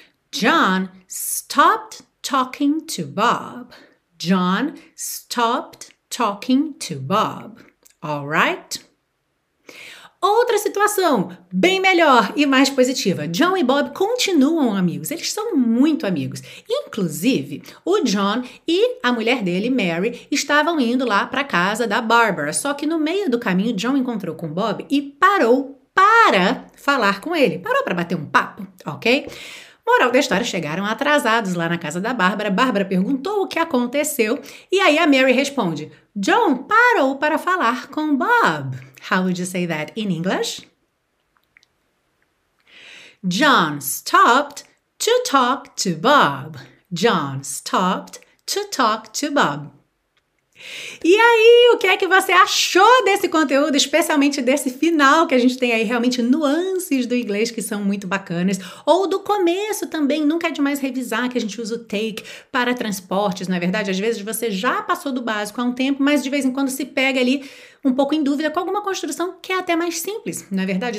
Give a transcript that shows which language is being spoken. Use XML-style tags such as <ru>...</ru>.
<en>John stopped talking to Bob. John stopped talking to Bob. All right?</en> <pt>Outra situação, bem melhor e mais positiva. John e Bob continuam amigos. Eles são muito amigos. Inclusive, o John e a mulher dele, Mary, estavam indo lá para casa da Barbara. Só que no meio do caminho, John encontrou com Bob e parou para falar com ele. Parou para bater um papo, ok? Moral da história, chegaram atrasados lá na casa da Bárbara. Bárbara perguntou o que aconteceu. E aí a Mary responde, John parou para falar com Bob.</pt> <en>How would you say that in English? John stopped to talk to Bob. John stopped to talk to Bob.</en> <pt>E aí, o que é que você achou desse conteúdo, especialmente desse final que a gente tem aí, realmente nuances do inglês que são muito bacanas, ou do começo também, nunca é demais revisar que a gente usa o take para transportes, não é verdade? Às vezes você já passou do básico há um tempo, mas de vez em quando se pega ali um pouco em dúvida com alguma construção que é até mais simples, não é verdade?</pt>